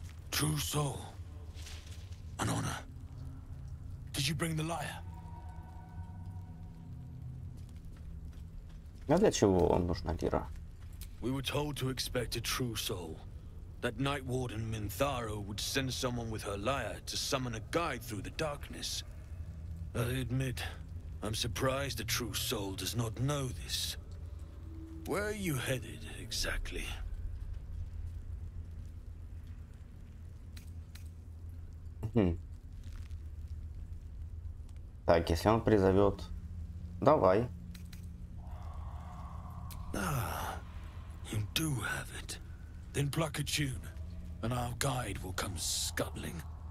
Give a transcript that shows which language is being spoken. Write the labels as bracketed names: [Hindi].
[English] True soul, an honor. Did you bring the lyre? [Russian] А для чего вам нужна лира? [English] We were told to expect a true soul. That Night Warden Mintharo would send someone with her lyre to summon a guide through the darkness. I admit, I'm surprised a true soul does not know this. Where are you headed exactly? [Russian] Так, если он призовет, давай. [English] Ah, you do have it. Then pluck a tune, and our guide will come scuttling.